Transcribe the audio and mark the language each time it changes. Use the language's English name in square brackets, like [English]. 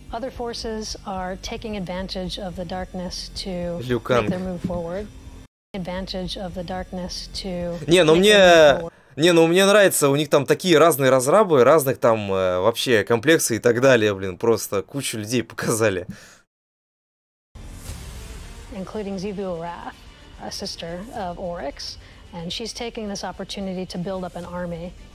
[English] Other forces are taking advantage of the darkness to make their move forward. Advantage of the darkness to... [Russian] Не, ну мне... Не, ну мне нравится, у них там такие разные разрабы, разных там вообще комплексы и так далее, блин, просто кучу людей показали. [English] Including Zivu Wrath, a sister of Oryx, and she's taking this opportunity to build up an army.